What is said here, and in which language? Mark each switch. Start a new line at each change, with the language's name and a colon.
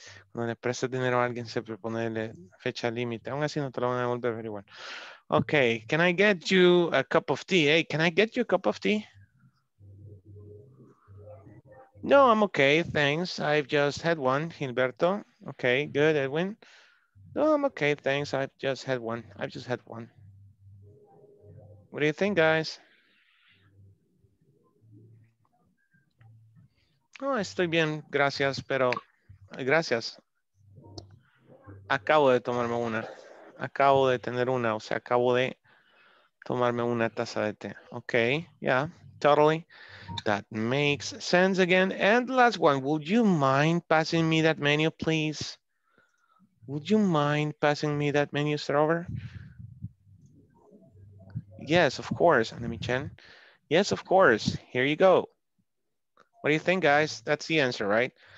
Spanish: Cuando le prestas dinero a alguien, siempre ponerle fecha límite. Aún así, no te lo van a devolver igual.
English: Okay, can I get you a cup of tea? Hey, can I get you a cup of tea? No, I'm okay, thanks. I've just had one, Gilberto. Okay, good, Edwin. No, I'm okay, thanks. I've just had one. What do you think, guys?
Spanish: Oh, estoy bien, gracias, pero gracias. Acabo de tomarme una. Acabo de tener una, o sea, acabo de tomarme una taza de té.
English: Okay, yeah, totally. That makes sense again. And last one, would you mind passing me that menu, please? Would you mind passing me that menu, server? Yes, of course, Anemi Chen. Yes, of course, here you go. What do you think, guys? That's the answer, right?